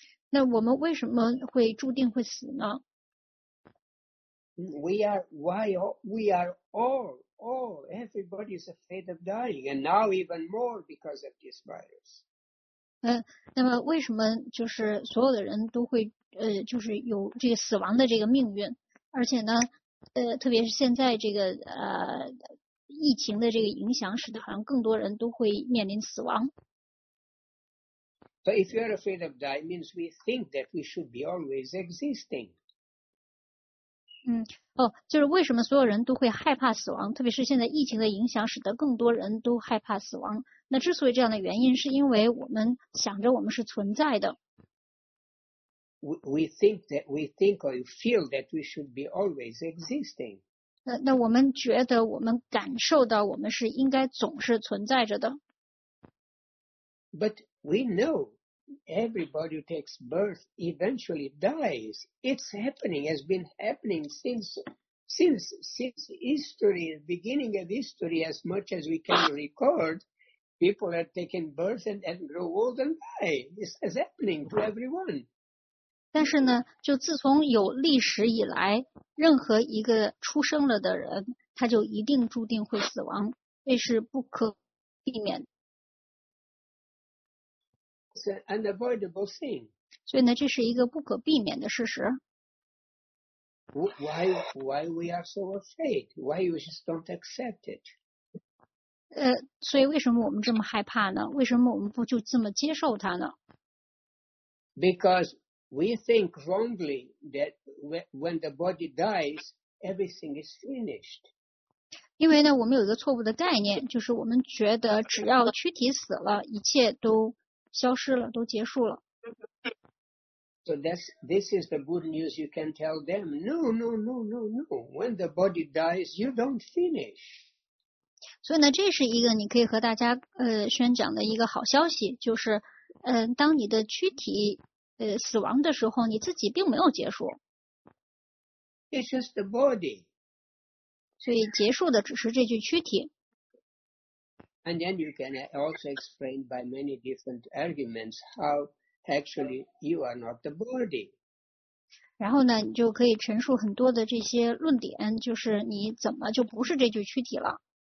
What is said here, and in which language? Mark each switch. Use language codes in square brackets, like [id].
[zh] 那我们为什么会注定会死呢？ [en] We are all everybody is afraid of dying, and now even more because of this virus. [zh] 那么为什么就是所有的人都会就是有这个死亡的这个命运，而且呢，特别是现在这个疫情的这个影响，使得好像更多人都会面临死亡。 [en] But if you are afraid of dying, it means we think that we should be always existing. [zh] 就是为什么所有人都会害怕死亡，特别是现在疫情的影响，使得更多人都害怕死亡。那之所以这样的原因，是因为我们想着我们是存在的。 [en] we think or feel that we should be always existing. [zh] 那我们觉得我们感受到我们是应该总是存在着的。 [en] But we know everybody who takes birth eventually dies. It's happening, has been happening since history, the beginning of history, as much as we can record. People are taking birth and grow old and die. This is happening to everyone. [zh] 但是呢，就自从有历史以来，任何一个出生了的人，他就一定注定会死亡，这是不可避免的。 [en] It's an unavoidable thing. [zh] 所以呢，这是一个不可避免的事实。 [en] Why we are so afraid? Why we just don't accept it? [zh] 所以为什么我们这么害怕呢？为什么我们不就这么接受它呢？ [en] Because we think wrongly that when the body dies, everything is finished. [zh] 因为呢，我们有一个错误的概念，就是我们觉得只要躯体死了，一切都消失了，都结束了。 [en] So this is the good news you can tell them. No. When the body dies, you don't finish. [zh] 所以呢，这是一个你可以和大家宣讲的一个好消息，就是当你的躯体死亡的时候，你自己并没有结束。 [en] It's just the body. [zh] 所以结束的只是这具躯体。 [en] And then you can also explain by many different arguments how actually you are not the body. [zh] 然后呢，你就可以陈述很多的这些论点，就是你怎么就不是这具躯体了。